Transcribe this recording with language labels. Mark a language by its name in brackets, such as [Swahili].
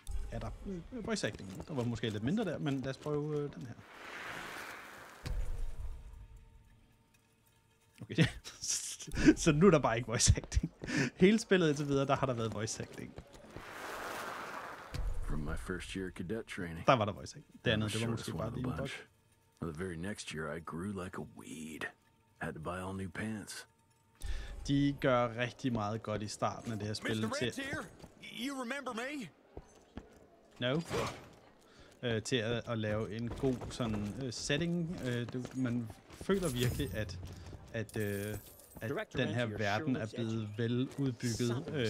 [Danish] Er der voice acting? Der var måske lidt mindre der, men lad os prøve den her. Okay. Så nu er der bare ikke voice acting. Hele spillet indtil videre, der har der været voice acting. [English] From my first year cadet training. [Danish] Der var der voice acting. Det andet, det var måske bare din bunch. [English] Well, the very next year, I grew like a weed. Had to buy all new pants. [Danish] De gør rigtig meget godt i starten af det her spil. [English] Mr. Rent here, you remember me? [Danish] No. Til at lave en god sådan setting. Man føler virkelig, at den her verden er blevet veludbygget.